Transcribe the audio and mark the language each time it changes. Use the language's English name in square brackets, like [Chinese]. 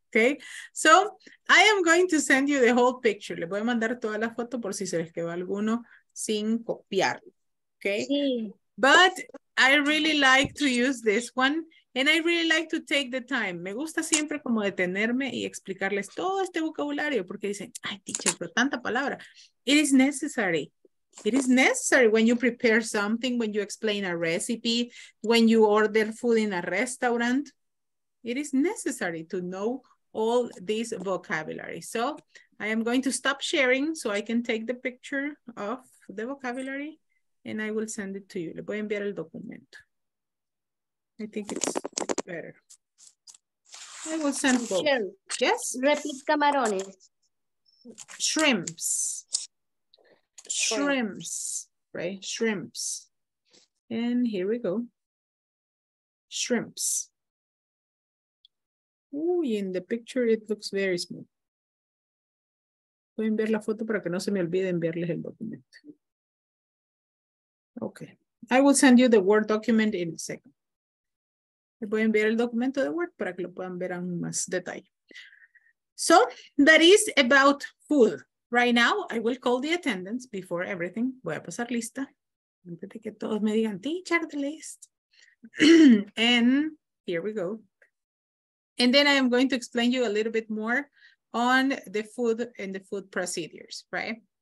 [English] Okay, so I am going to send you the whole picture. [Spanish] Le voy a mandar toda la foto por si se les quedó alguno sin copiarlo. [English] Okay, [Spanish] sí. [English] But I really like to use this one and I really like to take the time. [Spanish] Me gusta siempre como detenerme y explicarles todo este vocabulario porque dicen, ay, teacher, pero tanta palabra. [English] It is necessary. It is necessary when you prepare something, when you explain a recipe, when you order food in a restaurant. It is necessary to know all this vocabulary. So I am going to stop sharing so I can take the picture of the vocabulary and I will send it to you. [Spanish] Le voy a enviar el documento. [English] I think it's better. I will send both. Sure. Yes? Repeat camarones. Shrimps. Shrimps. Right? Shrimps. And here we go. Shrimps. Uy, in the picture it looks very small. [Spanish] Pueden ver la foto para que no se me olvide enviarles el documento. [English] Okay. I will send you the Word document in a second. [Spanish] Le voy a enviar el documento de Word para que lo puedan ver en más detalle. [English] So, that is about food. Right now, I will call the attendance before everything. [Spanish] Voy a pasar lista. Antes de que todos me digan, [English] teacher, the list. And here we go. And then I am going to explain you a little bit more on the food and the food procedures, right?